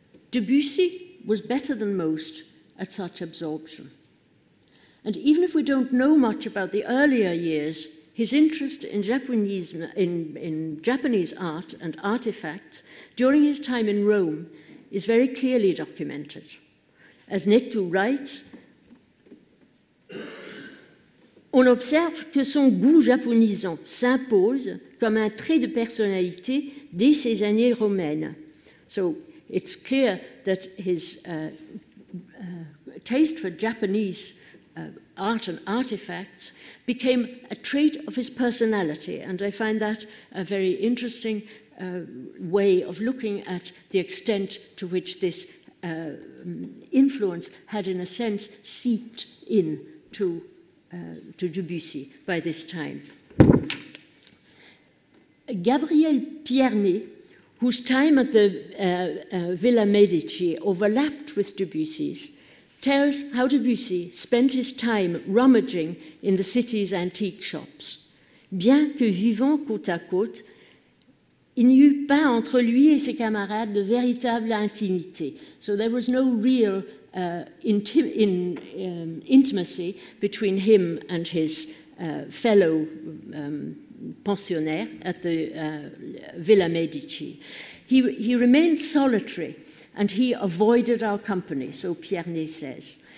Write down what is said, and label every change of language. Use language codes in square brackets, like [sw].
[en] Debussy was better than most at such absorption. And even if we don't know much about the earlier years, his interest in Japanese art and artifacts during his time in Rome is very clearly documented. As Nectu writes, [fr] on observe que son goût japonisant s'impose comme un trait de personnalité dès ses années romaines. [en] So it's clear that his taste for Japanese art and artifacts became a trait of his personality, and I find that a very interesting way of looking at the extent to which this influence had, in a sense, seeped in to Debussy by this time. Gabriel Pierné, whose time at the Villa Medici overlapped with Debussy's, tells how Debussy spent his time rummaging in the city's antique shops. [fr] Bien que vivant côte à côte, il n'y eut pas entre lui et ses camarades de véritable intimité. [en] So there was no real intimacy between him and his fellow pensionnaire at the Villa Medici. He remained solitary, and he avoided our company, so Pierné says.